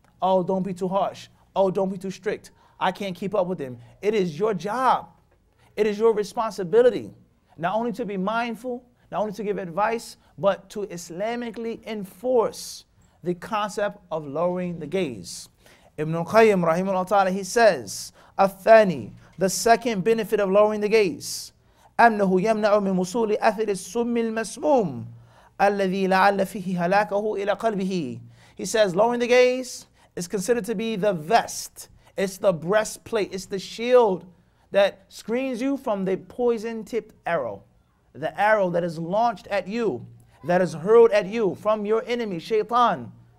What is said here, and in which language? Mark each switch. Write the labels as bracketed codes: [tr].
[en] Oh, don't be too harsh. Oh, don't be too strict. I can't keep up with them. It is your job It is your responsibility not only to be mindful, not only to give advice, but to Islamically enforce the concept of lowering the gaze. [ar] Ibn al-Qayyim, rahimahullah ta'ala, [en] he says, [ar] الثاني, [en] the second benefit of lowering the gaze, [ar] أَنَّهُ يَمْنَعُ مِنْ وُصُولِ أَثِرِ السُّمِّ الْمَسْمُومِ الَّذِي لَعَلَّ فِيهِ هَلَاكَهُ إِلَىٰ قَلْبِهِ. [en] He says, lowering the gaze is considered to be the vest. It's the breastplate. It's the shield that screens you from the poison-tipped arrow. The arrow that is launched at you, that is hurled at you from your enemy, Shaytan.